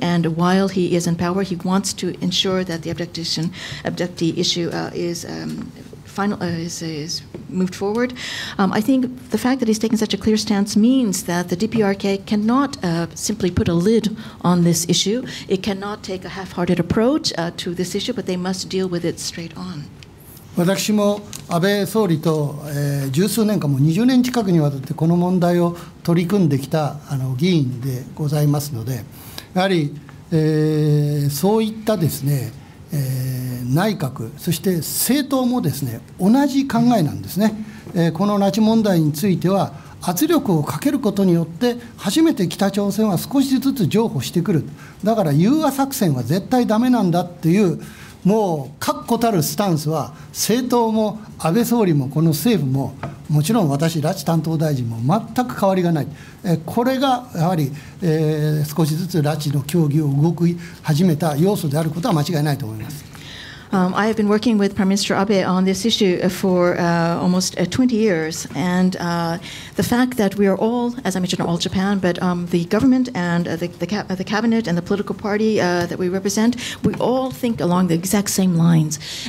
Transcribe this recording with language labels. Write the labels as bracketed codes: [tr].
[en] And while he is in power, he wants to ensure that the abductee issue is moved forward. I think the fact that he's taken such a clear stance means that the DPRK cannot simply put a lid on this issue. It cannot take a half-hearted approach to this issue, but they must deal with it straight on. [ja] 私も安倍総理と、十数年間も20年近くにわたってこの問題を取り組んできた議員でございますので、やはり、そういったですね、内閣そして政党もですね、同じ考えなんですね。この拉致問題については圧力をかけることによって初めて北朝鮮は少しずつ譲歩してくる、だから融和作戦は絶対ダメなんだっていう、もう確固たるスタンスは政党も安倍総理もこの政府ももちろん私拉致担当大臣も全く変わりがない。これがやはり、少しずつ拉致の協議を動き始めた要素であることは間違いないと思います。 [en] I have been working with Prime Minister Abe on this issue for almost 20 years, and the fact that we are all, as I mentioned, all Japan, but the government and the cabinet and the political party that we represent, we all think along the exact same lines.